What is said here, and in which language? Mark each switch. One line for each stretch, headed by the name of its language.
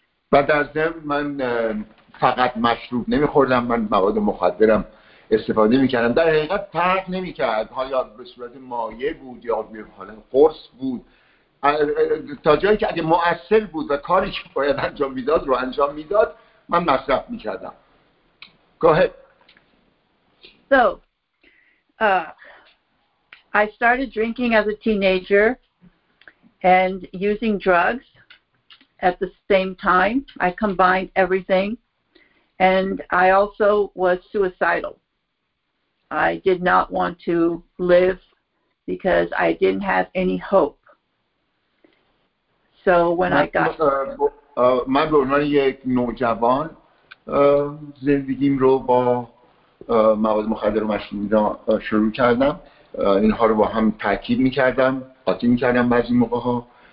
Persian: بعد از ذهن من فقط مشروب نمیخوردم، من مواد مخدرم استفاده میکردم. در حقیقت فرق نمیکرد، حالا به صورت مایع بود یا حالا قرص بود، تا جایی که اگه مؤثر بود و کاری که باید انجام میداد رو انجام میداد من مصرف میکردم.
English: Go ahead. So I started drinking as a teenager and using drugs at the same time. I combined everything and I also was suicidal. I did not want to live because I didn't have any hope. So when I got
Persian: من به عنوان یک نوجوان زندگیم رو با مواد مخدر و مشروب شروع کردم. اینها رو با هم تاکید می‌کردم، قاطی می‌کردم بعضی موقع‌ها.